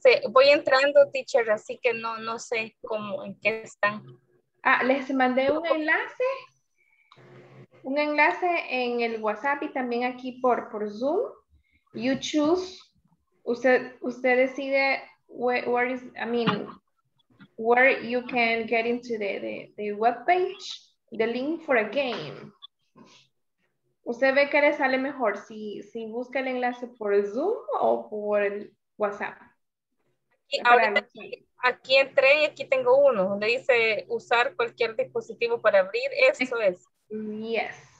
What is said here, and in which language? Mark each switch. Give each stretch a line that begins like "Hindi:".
Spanish: Voy entrando, teacher, así que no, no sé cómo, en qué están. Ah, les mandé un enlace. Un enlace en el WhatsApp y también aquí por Zoom.
English: You choose.
Spanish: Usted decide
English: where you can get into the webpage, the link for a game.
Spanish: Usted ve que le sale mejor si busca el enlace por Zoom o por el WhatsApp. Y ahora aquí entré y aquí tengo uno donde dice usar cualquier dispositivo para abrir. Eso es.
English: Yes.